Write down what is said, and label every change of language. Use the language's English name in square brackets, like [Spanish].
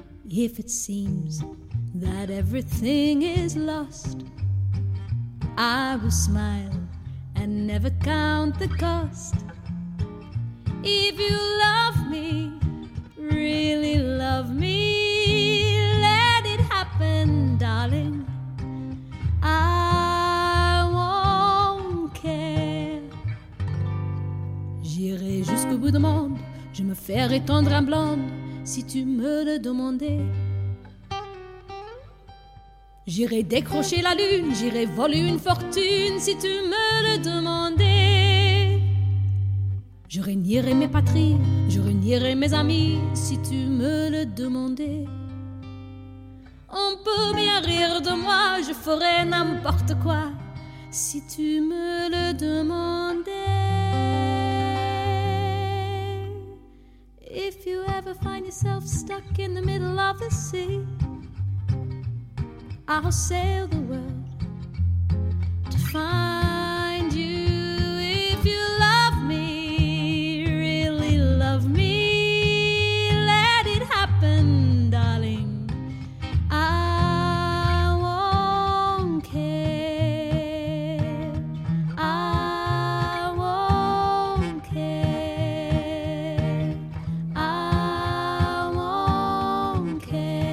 [English] If it seems that everything is lost, I will smile and never count the cost. If you love me, really love me, let it happen, darling, I won't care. [French] J'irai jusqu'au bout du monde, je me ferai tendre en blonde, si tu me le demandais. J'irai décrocher la lune, j'irai voler une fortune si tu me le demandais. Je renierai mes patries, je renierai mes amis si tu me le demandais. On peut bien rire de moi, je ferai n'importe quoi si tu me le demandais. [English] If you ever find yourself stuck in the middle of the sea, I'll sail the world to find you. If you love me, really love me, let it happen, darling, I won't care, I won't care, I won't care.